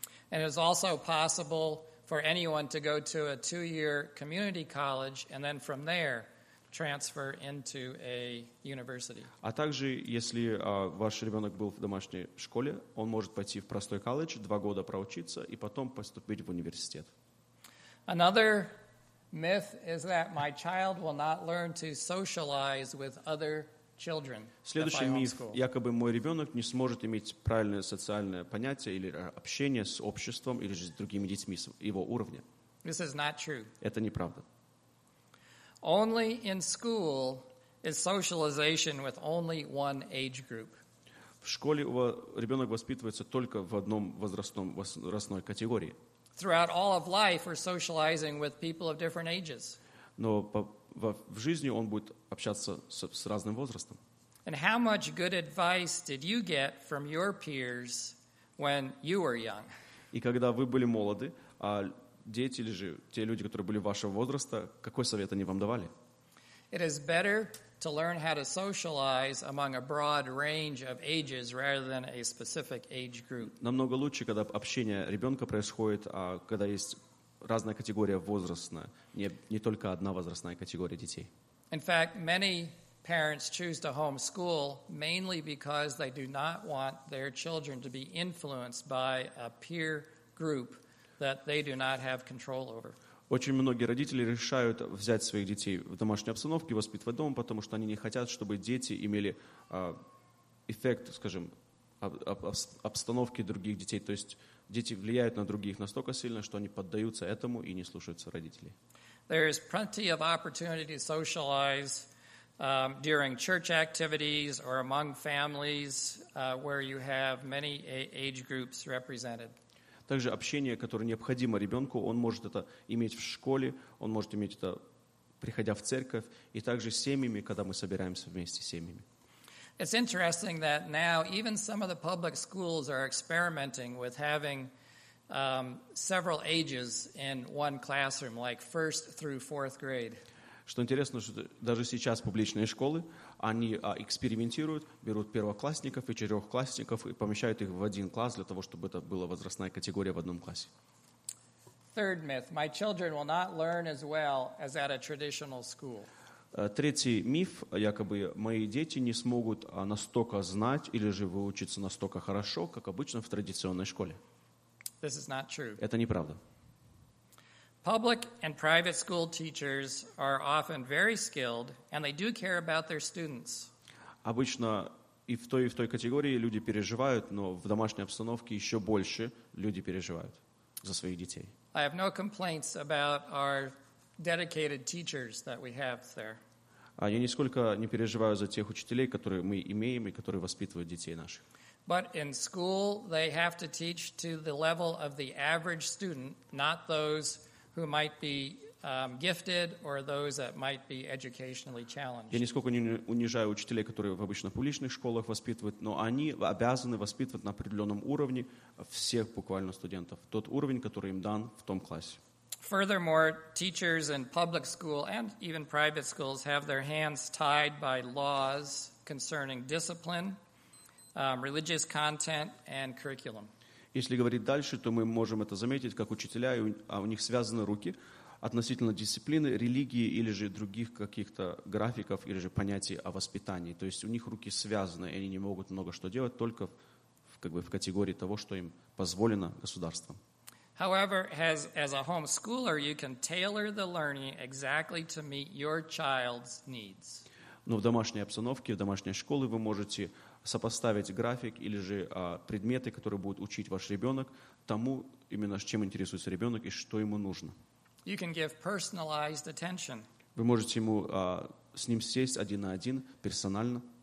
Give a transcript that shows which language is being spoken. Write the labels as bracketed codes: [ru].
[en] And it is also possible for anyone to go to a 2-year community college and then from there transfer into a university. [ru] А также, если ваш ребенок был в домашней школе, он может пойти в простой колледж, 2 года проучиться и потом поступить в университет. [en] Another myth is that my child will not learn to socialize with other children. [ru] Следующий миф, якобы мой ребенок не сможет иметь правильное социальное понятие или общение с обществом или же с другими детьми его уровня. [en] This is not true. [ru] Это неправда. [en] Only in school is socialization with only one age group. [ru] В школе ребенок воспитывается только в одном возрастной категории. [en] Throughout all of life, we're socializing with people of different ages. [ru] Но в жизни он будет общаться с разным возрастом. [en] And how much good advice did you get from your peers when you were young? [ru] И когда вы были молоды, а дети или же те люди, которые были вашего возраста, какой совет они вам давали? [en] It is better to learn how to socialize among a broad range of ages rather than a specific age group. [ru] Намного лучше, когда общение ребенка происходит, а когда есть разная категория возрастная, не только одна возрастная категория детей. [en] In fact, many parents choose to homeschool mainly because they do not want their children to be influenced by a peer group that they do not have control over. [ru] Очень многие родители решают взять своих детей в домашней обстановке, воспитывать дома, потому что они не хотят, чтобы дети имели эффект, скажем, обстановки других детей, то есть дети влияют на других настолько сильно, что они поддаются этому и не слушаются родителей. [en] There is plenty of opportunity to socialize during church activities or among families where you have many age groups represented. [ru] Также общение, которое необходимо ребенку, он может это иметь в школе, он может иметь это, приходя в церковь, и также с семьями, когда мы собираемся вместе с семьями. [en] It's interesting that now even some of the public schools are experimenting with having several ages in one classroom, like first through fourth grade. [ru] Что интересно, что даже сейчас публичные школы, они экспериментируют, берут первоклассников и четырехклассников и помещают их в один класс для того, чтобы это была возрастная категория в одном классе. [en] Third myth. My children will not learn as well as at a traditional school. [ru] Третий миф, якобы мои дети не смогут настолько знать или же выучиться настолько хорошо, как обычно в традиционной школе. [en] This is not true. [ru] Это неправда. [en] Public and private school teachers are often very skilled, and they do care about their students. [ru] Обычно и в той категории люди переживают, но в домашней обстановке еще больше люди переживают за своих детей. [en] I have no complaints about our dedicated teachers that we have there. [ru] Я нисколько не переживаю за тех учителей, которые мы имеем и которые воспитывают детей наших. [en] But in school they have to teach to the level of the average student, not those who might be gifted or those that might be educationally challenged. [ru] Я нисколько не унижаю учителей, которые в обычно публичных школах воспитывают, но они обязаны воспитывать на определенном уровне всех буквально студентов, тот уровень, который им дан в том классе. [en] Furthermore, teachers in public school and even private schools have their hands tied by laws concerning discipline, religious content and curriculum. [ru] Если говорить дальше, то мы можем это заметить, как учителя, и у них связаны руки относительно дисциплины, религии или же других каких-то графиков или же понятий о воспитании. То есть у них руки связаны, и они не могут много что делать, только как бы в категории того, что им позволено государством. [en] However, as a homeschooler, you can tailor the learning exactly to meet your child's needs. [ru] Но в домашней обстановке, в домашней школе вы можете сопоставить график или же предметы, которые будет учить ваш ребенок, тому, именно чем интересуется ребенок и что ему нужно. [en] You can give personalized attention. [ru] Вы можете ему с ним сесть один на один, персонально.